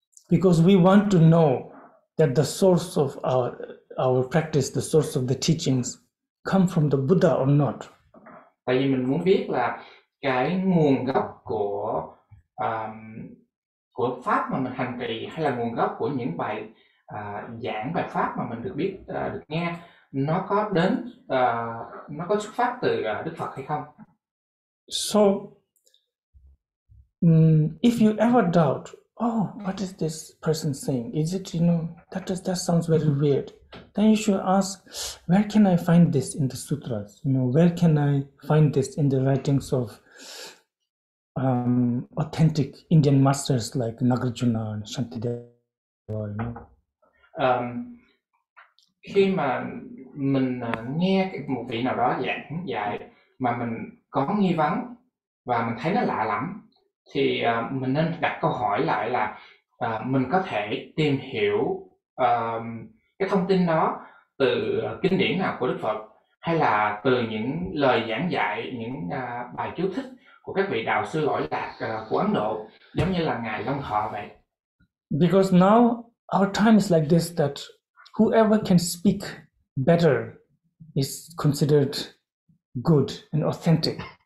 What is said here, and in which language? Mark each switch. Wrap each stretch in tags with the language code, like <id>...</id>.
<en>Because we want to know that the source of our practice, the source of the teachings, come from the Buddha or not.</en> <vi>Tại vì mình muốn biết là cái nguồn gốc của pháp mà mình hành trì hay là nguồn gốc của những bài giảng bài pháp mà mình được biết được nghe nó có đến nó có xuất phát từ Đức Phật hay không?</vi> <en>So if you ever doubt, oh, what is this person saying? Is it, you know, that sounds very weird? Then you should ask, where can I find this in the sutras? You know, where can I find this in the writings of authentic Indian masters like Nagarjuna and Shantideva? You know?</en> <vi>Khi mà mình nghe một vị nào đó giảng dạy mà mình có nghi vấn và mình thấy nó lạ lắm thì mình nên đặt câu hỏi lại là mình có thể tìm hiểu cái thông tin đó từ kinh điển nào của Đức Phật hay là từ những lời giảng dạy, những bài chú thích của các vị đạo sư lỗi lạc của Ấn Độ giống như là Ngài Long Thọ vậy.</vi> <en>Because now our time is like this, that whoever can speak better is considered good and authentic.</en>